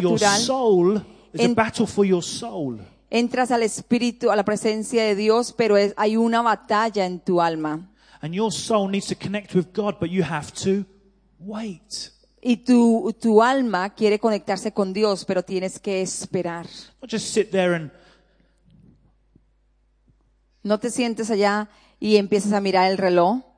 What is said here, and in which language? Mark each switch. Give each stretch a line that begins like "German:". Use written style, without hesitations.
English: Your soul is a battle for your soul.
Spanish: Entras al espíritu, a la presencia de Dios, pero hay una batalla en tu alma.
English: And your soul needs to connect with God, but you have to wait.
Spanish: Y tu alma quiere conectarse con Dios, pero tienes que esperar.
English: Don't just sit there and
Spanish: no te sientes allá y empiezas a mirar el reloj.